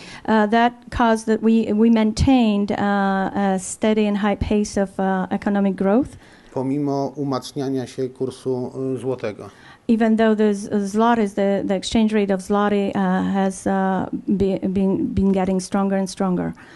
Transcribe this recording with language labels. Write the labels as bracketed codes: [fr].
[en] That caused that we maintained a steady and high pace of economic growth. [pl] Pomimo umacniania się kursu złotego. [en] Even though the zloty, the exchange rate of zloty has been getting stronger and stronger.